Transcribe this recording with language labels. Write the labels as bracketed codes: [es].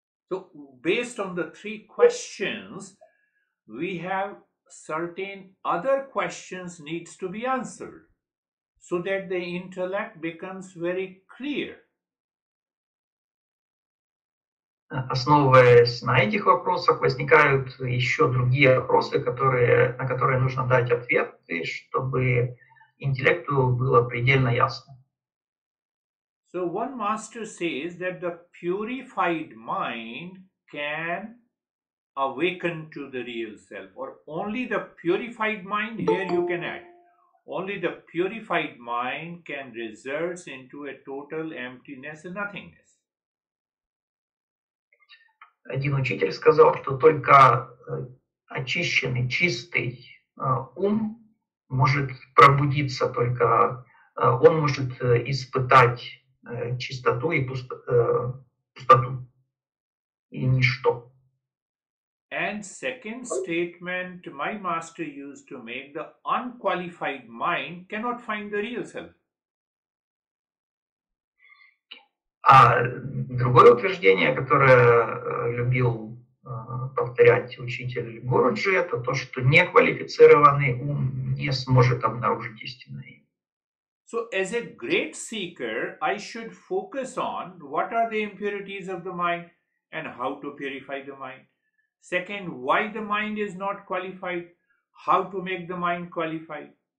[en] So, based on the 3 questions, we have certain other questions needs to be answered so that the intellect becomes very clear. [ru] Основываясь на этих вопросах, возникают еще другие вопросы, на которые нужно дать ответ, чтобы интеллекту было предельно ясно. [en] So one master says that the purified mind can awaken to the real self, or only the purified mind, here you can add, only the purified mind can resurge into a total emptiness and nothingness. [ru] Один учитель сказал, что только очищенный, чистый ум может пробудиться, только он может испытать чистоту и пустоту и ничто. [en] And second statement, my master used to make, the unqualified mind cannot find the real self. [ru] А другое утверждение, которое любил повторять учитель Гуруджи, это то, что неквалифицированный ум не сможет обнаружить истинное. [en] So as a great seeker, I should focus on what are the impurities of the mind and how to purify the mind. Second, why the mind is not qualified, how to make the mind qualified.